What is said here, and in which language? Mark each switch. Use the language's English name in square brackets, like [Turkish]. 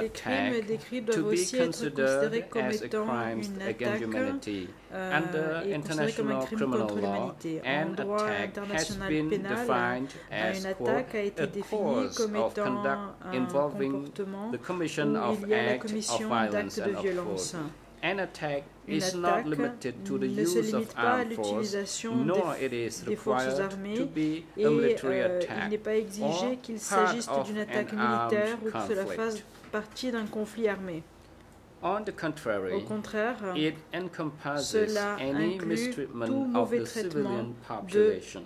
[French] les crimes décrits doivent aussi être considérés comme étant une attaque et considérés comme un crime contre l'humanité. En droit international pénal, une attaque a été définie comme étant un comportement où il y a la commission d'actes de violence. [English] An attack is not limited to the use of armed force, nor it is required to be a military attack. [French] Il n'est pas exigé qu'il s'agisse d'une attaque militaire ou que cela fasse partie d'un conflit armé. [English] On the contrary, [French] au contraire, [English] it encompasses any mistreatment of the civilian population.